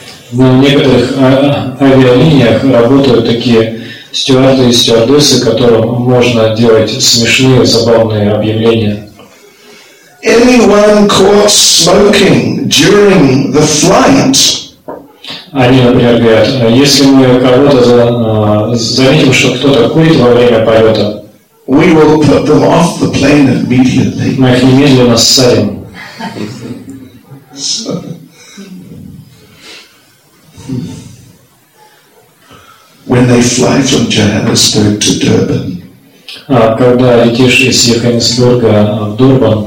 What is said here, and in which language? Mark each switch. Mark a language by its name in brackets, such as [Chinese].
[Russian] На некоторых авиалиниях работают такие стюарды и стюардессы, которым можно делать смешные, забавные объявления. [English] Anyone caught smoking during the flight? [Russian] Они, например, говорят, если мы кого-то заметим, что кто-то курит во время полета, [English] we will put them off the plane immediately. [Russian] Мы их немедленно ссадим. [English] When they fly from Johannesburg to Durban, [Russian] когда летишь из Йоханнесбурга в Дурбан,